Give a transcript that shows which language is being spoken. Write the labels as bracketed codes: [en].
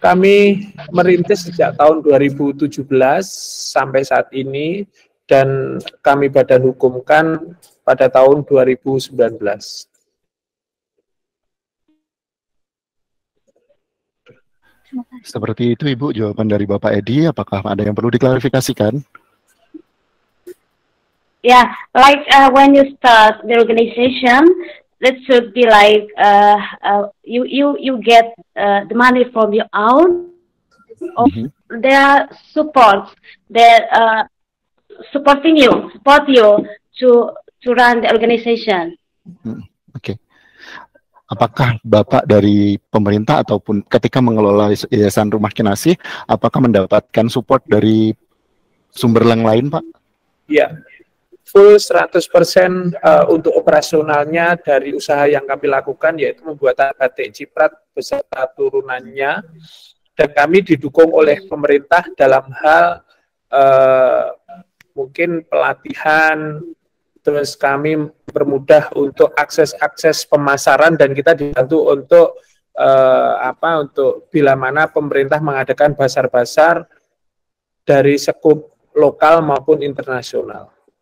[id] kami merintis sejak tahun 2017 sampai saat ini, dan kami badan hukumkan pada tahun 2019. Seperti itu Ibu, jawaban dari Bapak Edi, apakah ada yang perlu diklarifikasikan? [en] Ya, yeah, like when you start the organization, that should be like you get the money from your own, or there are supports that support you to run the organization. Okay. [id] Apakah Bapak dari pemerintah ataupun ketika mengelola yayasan Rumah Kinasih, apakah mendapatkan support dari sumber lain, Pak? Ya. Yeah. Full 100% untuk operasionalnya dari usaha yang kami lakukan, yaitu membuat batik ciprat beserta turunannya, dan kami didukung oleh pemerintah dalam hal mungkin pelatihan, terus kami permudah untuk akses pemasaran, dan kita dibantu untuk untuk bila mana pemerintah mengadakan basar-basar dari skup lokal maupun internasional.